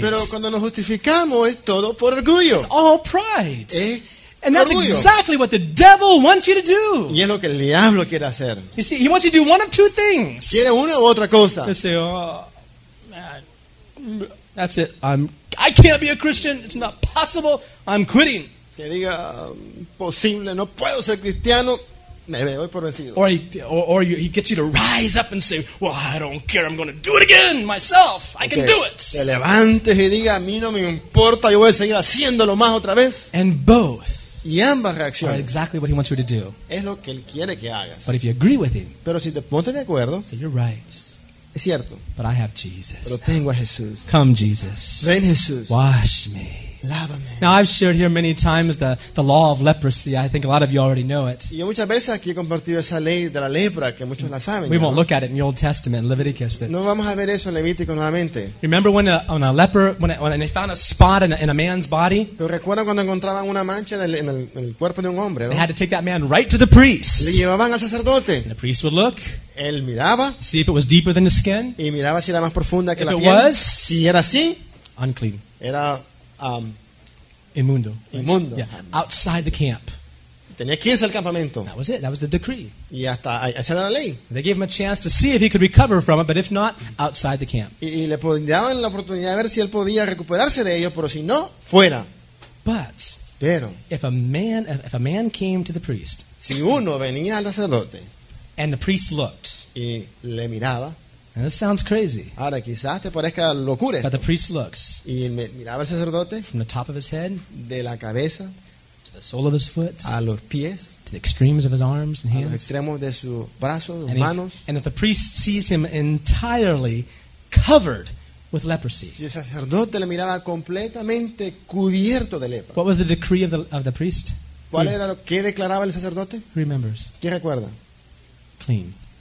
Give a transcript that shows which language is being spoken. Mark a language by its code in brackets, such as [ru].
[es] Pero cuando nos justificamos, es todo por orgullo. [en] It's all pride. And that's [es] orgullo. [en] Exactly what the devil wants you to do. [es] Y es lo que el diablo quiere hacer. [en] You see, he wants you to do one of two things. [es] Quiere una u otra cosa. [en] You say, man, that's it. I can't be a Christian. It's not possible. I'm quitting. [es] Que diga, posible, no puedo ser cristiano. Me voy por vencido. [en] Or he gets you to rise up and say, well, I don't care, I'm going to do it again myself. I can do it. [es] Te levantes y diga, a mí no me importa, yo voy a seguir haciéndolo más otra vez. [en] And both. [es] Y ambas reacciones. [en] Are exactly what he wants you to do. [es] Es lo que él quiere que hagas. [en] But if you agree with him. [es] Pero si te pones de acuerdo. [en] Say, you're right. [es] Es cierto. [en] But I have Jesus. [es] Pero tengo a Jesús. [en] Come, Jesus. [es] Ven, Jesús. [en] Wash me. [es] Lávame. [en] Now I've shared here many times the law of leprosy. I think a lot of you already know it. [es] Yo muchas veces aquí he compartido esa ley de la lepra que muchos la saben. [en] We won't look at it in the Old Testament, Leviticus. But [es] no vamos a ver eso en Levítico nuevamente. [en] Remember when a leper when they found a spot in a man's body? [es] Pero recuerdan cuando encontraban una mancha en el cuerpo de un hombre, ¿no? [en] They had to take that man right to the priest. [es] Le llevaban al sacerdote. [en] And the priest would look. [es] Él miraba. [en] See if it was deeper than the skin. [es] Y miraba si era más profunda que [en] if [es] la piel. [en] It was, [es] si era así, [en] unclean. [es] Era inmundo. Inmundo. [en] Yeah. Outside the camp. [es] Tenía que irse al campamento. [en] That was it. That was the decree. [es] Y hasta, esa era la ley. [en] They gave him a chance to see if he could recover from it, but if not, outside the camp. [es] Y le daban la oportunidad de ver si él podía recuperarse de ello, pero si no, fuera. [en] But [es] pero, [en] if a man came to the priest, [es] si uno venía al sacerdote, [en] and the priest looked, [es] y le miraba. [en] And this sounds crazy. [es] Ahora, quizás te parezca locura esto. [en] But the priest looks. [es] Y miraba al sacerdote. [en] From the top of his head. [es] De la cabeza. [en] To the sole of his foot. [es] A los pies. [en] To the extremes of his arms and hands. [es] A los extremos de sus brazos, sus manos. [en] And if the priest sees him entirely covered with leprosy. [es] Y el sacerdote le miraba completamente cubierto de lepra. [en] What was the decree of the priest? [es] ¿Cuál era lo que declaraba el sacerdote? [en] Who remembers? [es] ¿Quién recuerda? [en] Clean.